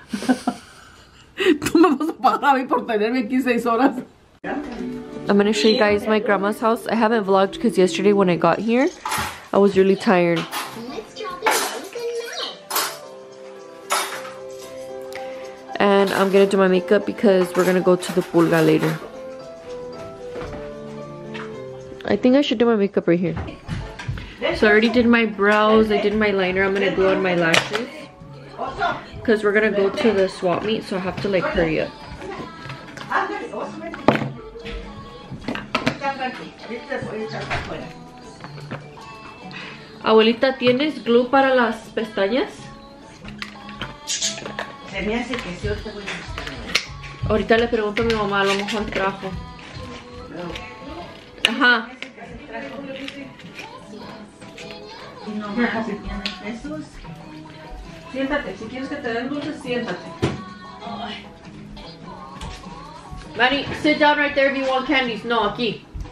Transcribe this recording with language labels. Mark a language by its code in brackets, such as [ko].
[es] Tú me vas a pagar a mí por tenerme aquí 6 horas. [en] I'm going to show you guys my grandma's house. I haven't vlogged because yesterday when I got here, I was really tired. And I'm going to do my makeup because we're going to go to the pulga later. I think I should do my makeup right here. So I already did my brows. I did my liner. I'm going to glue on my lashes. Because we're going to go to the swap meet, so I have to like hurry up. [es] Abuelita, ¿tienes glue para las pestañas? Ahorita le pregunto a mi mamá, a lo mejor trajo. Ajá. Siéntate, si quieres que te den dulce, siéntate. [en] Manny, sit down right there if you want candies. [es] No, aquí.